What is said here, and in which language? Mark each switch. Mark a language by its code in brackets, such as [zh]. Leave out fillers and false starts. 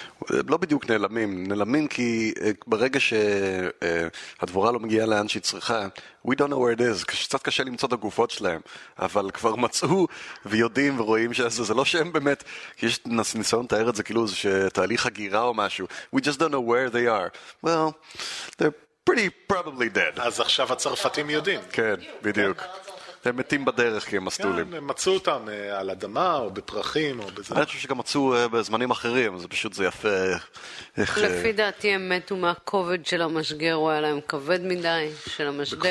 [he] לא בדיוק נעלמים. נעלמים כי ברגע שהדבורה לא מגיעה לאן שהיא צריכה, [en] we don't know where it is, [he] קצת קשה למצוא את הגופות שלהם, אבל כבר מצאו ויודעים ורואים שזה, זה לא שהם באמת, יש ניסיון תאר את זה כאילו, זה תהליך הגירה או משהו. [en] We just don't know where they are. Well, they're pretty probably dead. [he] אז עכשיו הצרפתים יודעים. כן, בדיוק. הם מתים בדרך כי הם מסתולים. הם מצאו אותם על אדמה או בפרחים או בזה. אני חושב שגם מצאו בזמנים אחרים, זה פשוט זה יפה. לפי דעתי הם מתו מהכובד של המשגר, הוא היה להם כבד מדי של המשגר.